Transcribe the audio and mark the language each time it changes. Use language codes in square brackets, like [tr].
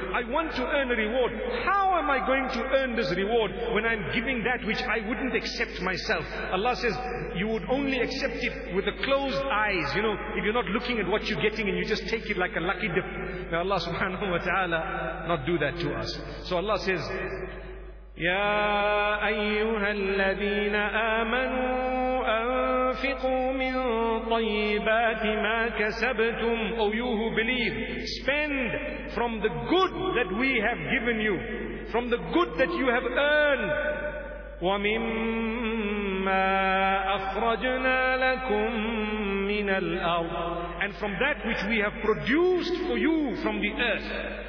[en] I want to earn a reward. How am I going to earn this reward when I'm giving that which I wouldn't accept myself? Allah says, you would only accept it with the closed eyes. You know, if you're not looking at what you're getting and you just take it like a lucky dip. May Allah subhanahu wa ta'ala not do that to us. So Allah says, [ar] Ya ayyuha alladhina amanu أنفقوا من طيبات ما كسبتم. [en] O you who believe, spend from the good that we have given you, from the good that you have earned. [ar] وَمِمَّا أَخْرَجْنَا لَكُم مِّنَ الْأَرْضِ. [en] And from that which we have produced for you from the earth.